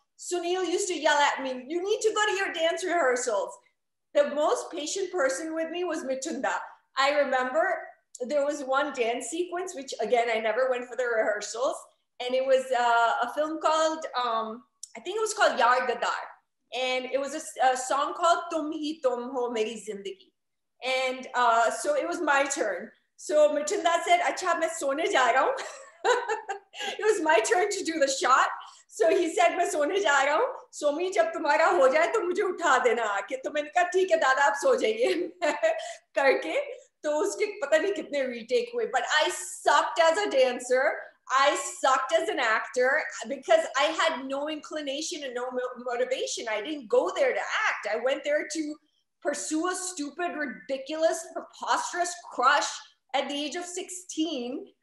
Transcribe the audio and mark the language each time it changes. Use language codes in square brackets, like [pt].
[en] Sunil used to yell at me, you need to go to your dance rehearsals. The most patient person with me was Mithunda. I remember there was one dance sequence, which again, I never went for the rehearsals. And it was a film called, I think it was called Yaar Gadar. And it was a song called [hi] तुम ही तुम हो मेरी ज़िंदगी. [en] And so it was my turn. So Mithunda said, [hi] अच्छा, मैं सोने जा रहा हूँ. [en] It was my turn to do the shot. So he said, [hi] मैं सोने जा रहा हूँ. सोमी, जब तुम्हारा हो जाए, तो मुझे उठा देना आके. तो मैंने कहा, ठीक है, दादा, आप सो जाइए. Karke. So उसके पता नहीं कितने retake हुए. [en] But I sucked as a dancer. I sucked as an actor because I had no inclination and no motivation. I didn't go there to act. I went there to pursue a stupid, ridiculous, preposterous crush at the age of 16.